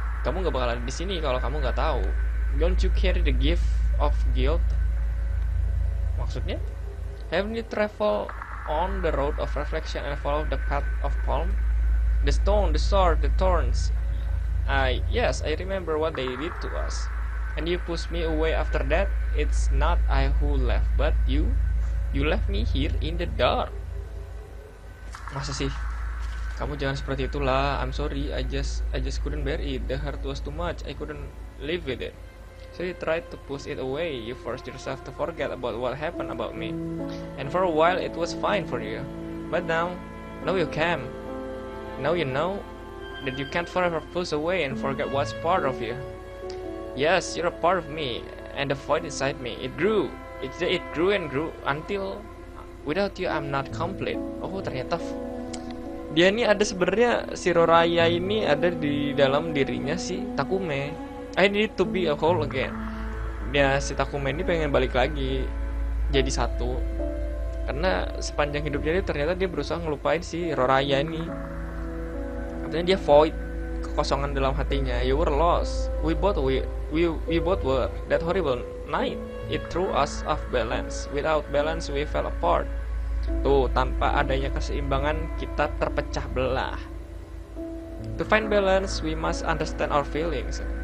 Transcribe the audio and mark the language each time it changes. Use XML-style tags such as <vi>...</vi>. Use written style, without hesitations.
<id>Kamu nggak bakal ada di sini kalau kamu nggak tahu.</id> <en>Don't you carry the gift of guilt?</en> <id>Maksudnya?</id> <en>Haven't you traveled on the road of reflection and followed the path of palm? The stone, the sword, the thorns. Yes, I remember what they did to us. And you pushed me away after that. It's not I who left, but you. You left me here in the dark.</en> <id>Masa sih? Kamu jangan seperti itulah.</id> <en>I'm sorry, I just couldn't bear it. The hurt was too much. I couldn't live with it. So you tried to push it away. You forced yourself to forget about what happened about me. And for a while it was fine for you. But now you can. Now you know that you can't forever push away and forget what's part of you. Yes, you're a part of me. And the void inside me, it grew. It grew and grew until without you I'm not complete.</en> <id>Oh, ternyata dia ini ada sebenarnya si Roraya ini ada di dalam dirinya si Takume.</id> <en>I need to be a whole again.</en> <id>Ya, si Takume ini pengen balik lagi jadi satu. Karena sepanjang hidupnya dia ternyata dia berusaha ngelupain si Roraya ini. Katanya dia void, kekosongan dalam hatinya.</id> <en>You were lost. We both were. That horrible night, it threw us off balance. Without balance, we fell apart.</en> <id>Tuh, tanpa adanya keseimbangan, kita terpecah belah.</id> <en>To find balance, we must understand our feelings.</en>